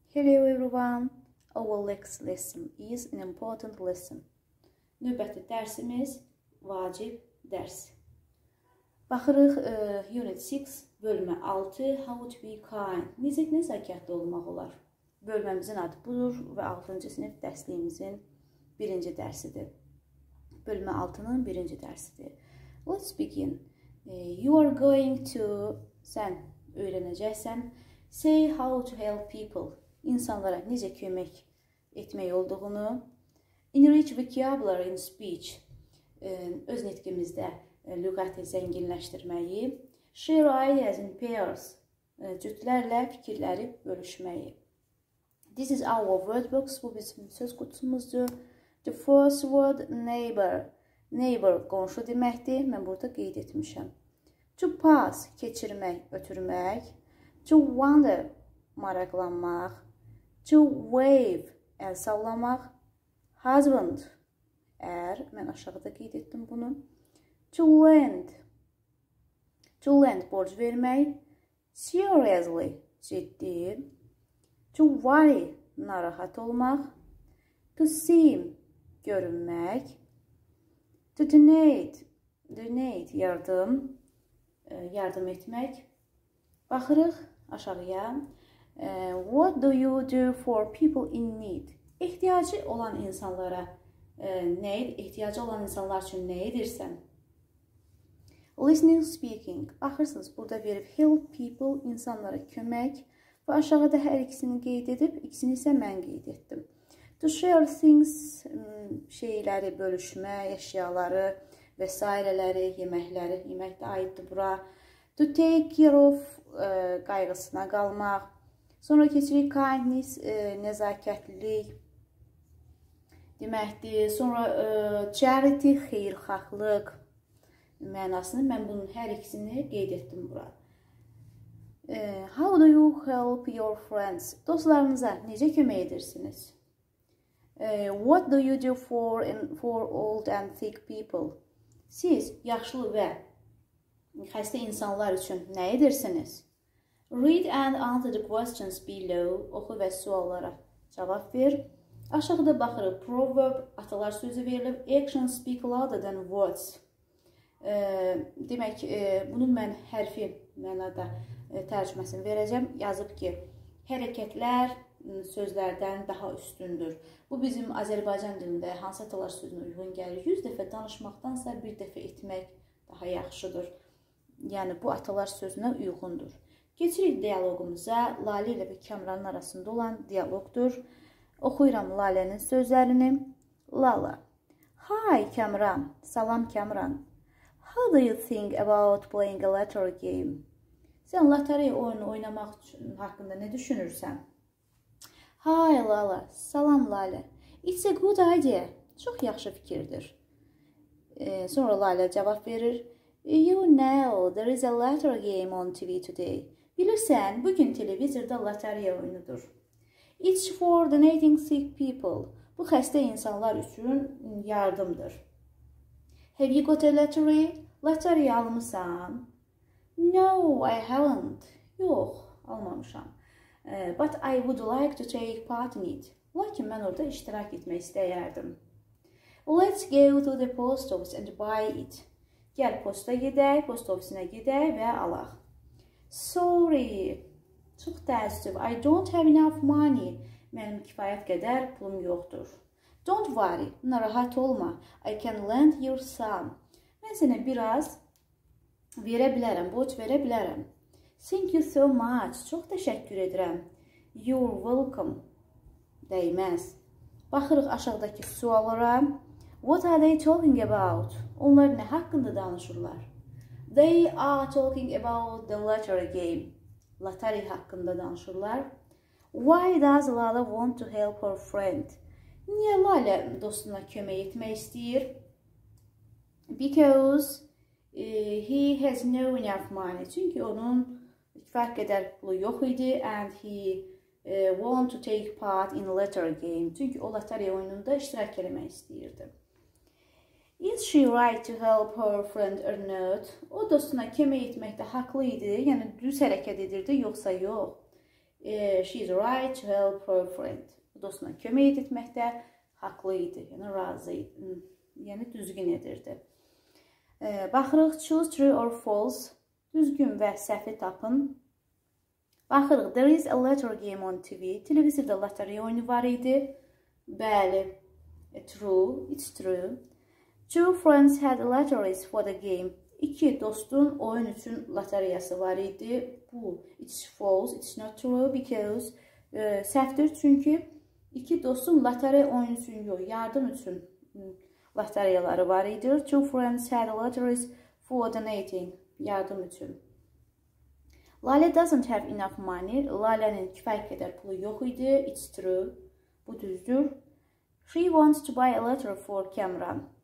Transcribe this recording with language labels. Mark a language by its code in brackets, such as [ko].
[en] Hello everyone, our next lesson is an important lesson. [az] Növbəti dərsimiz vacib dərs. Baxırıq unit 6, bölmə 6, [en] how to be kind. [az] Necə nəzakətli olmaq olar? Bölməmizin adı budur və 6-cı sinif dərsliyimizin 1-ci dərsidir. Bölmə 6-nın 1-ci dərsidir. [en] Let's begin. You are going to, [az] sən öyrənəcəksən, [en] say how to help people. [az] İnsanlara necə kömək etmək olduğunu. [en] Enrich vocabulary in speech. [az] Öz nitqimizdə lüğəti zənginləşdirməyi. [en] Share ideas in pairs. [az] Cütlərlə fikirləri bölüşməyi. [en] This is our word box. [az] Bu bizim söz qutumuzdur. [en] The first word, neighbor. [az] Neighbor qonşu deməkdir. Mən burada qeyd etmişəm. To pass, keçirmək, ötürmək. [en] To wonder, maraqlanmaq. To wave, [az] əl sallamaq. Husband, ər, mən aşağıda qeyd etdim bunu. To lend, borc vermək. Seriously, ciddi. To worry, narahat olmaq. To seem, görünmək. To donate, yardım, yardım etmək. Baxırıq aşağıya. [en] What do you do for people in need? [az] İhtiyacı olan insanlara ihtiyacı olan insanlar üçün nə edirsən? Listening, speaking. Baxırsınız, burada verib [en] help people, [az] insanlara kömək. Və aşağıda hər ikisini qeyd edib, ikisini isə mən qeyd etdim. [en] To share things, [az] şeyləri, bölüşmə, əşyaları və s. yeməkləri, yemək də aiddir bura. [en] To take care of, [az] qayğısına qalmaq. Sonra keçirik kindness, nəzakətlilik deməkdir. Sonra charity, xeyirxahlıq mənasını. Mən bunun hər ikisini qeyd etdim bura. [en] How do you help your friends? [az] Dostlarınıza necə kömək edirsiniz? [en] What do you do for old and sick people? [az] Siz yaşlı və xəstə insanlar üçün nə edirsiniz? [en] Read and answer the questions below. [az] Oxu və suallara cavab ver. Aşağıda baxırıq. Proverb, atalar sözü verilib. [en] Actions speak louder than words. [az] Demək, bunun mən hərfi mənada tərcüməsini verəcəm. Yazıb ki, hərəkətlər sözlərdən daha üstündür. Bu, bizim Azərbaycan dilində hansı atalar sözünə uyğun gəlir? 100 dəfə danışmaqdansa bir dəfə etmək daha yaxşıdır. Yəni, bu atalar sözünə uyğundur. Keçirik diyaloğumuza, Lalə ilə və Kamranın arasında olan diyaloqdur. Oxuyuram Lalənin sözlərini. Lala, hi Kamran, salam Kamran. [en] How do you think about playing a lottery game? [az] Sən lotereya oyunu oynamaq haqqında nə düşünürsən? [en] Hi Lala, [az] salam Lalə. [en] It's a good idea, [az] çox yaxşı fikirdir. Sonra Lalə cavab verir. [en] You know, there is a lottery game on TV today. [az] Bilirsən, bugün televizorda lotereya oyunudur. [en] It's for donating sick people. [az] Bu xəstə insanlar üçün yardımdır. [en] Have you got a lottery? [az] Lotereya almışsan? [en] No, I haven't. [az] Yox, almamışam. [en] But I would like to take part in it. [az] Lakin mən orada iştirak etmək istəyərdim. [en] Let's go to the post office and buy it. [az] Gəl posta gedək, post ofisinə gedək və alaq. Sorry, çox təəssüf, [en] I don't have enough money. [az] Mənim kifayət qədər pulum yoxdur. [en] Don't worry, [az] narahat olma, [en] I can lend you some. [az] Mən sənə biraz verə bilərəm, borc verə bilərəm. [en] Thank you so much, [az] çox təşəkkür edirəm. [en] You're welcome, deyməz. [az] Baxırıq aşağıdakı suallara. [en] What are they talking about? [az] Onlar nə haqqında danışırlar? [en] They are talking about the lottery game. [az] Lottery haqqında danışırlar. [en] Why does Lala want to help her friend? [az] Niyə Lala dostuna kömək etmək istəyir? [en] Because he has no enough money. [az] Çünki onun kifayət qədər pulu yox idi. [en] And he want to take part in the lottery game. [az] Çünki o lottery oyununda iştirak eləmək istəyirdi. [en] Is she right to help her friend or not? [az] O dostuna kömək etməkdə haqlı idi, yəni düz hərəkət edirdi, yoxsa yox. [en] She's right to help her friend. [az] Dostuna kömək etməkdə haqlı idi, yəni razı idi, yəni düzgün edirdi. Baxırıq, [en] choose true or false. [az] Düzgün və səhvi tapın. Baxırıq, [en] there is a lottery game on TV. [az] Televizyada lotereya oyunu var idi. [en] Bəli, true, it's true. Two friends had lotteries for the game. [az] İki dostun oyun üçün lotereyası var idi. [en] Bu, it's false, it's not true because səhvdir. [az] Çünki iki dostun lotereya oyun üçün yox, yardım üçün lotereyaları var idi. [en] Two friends had lotteries for donating, [az] yardım üçün. [en] Lale doesn't have enough money. [az] Lale'nin kifayət qədər pulu yox idi. [en] It's true. [az] Bu düzdür. [en] She wants to buy a lottery for Cameron.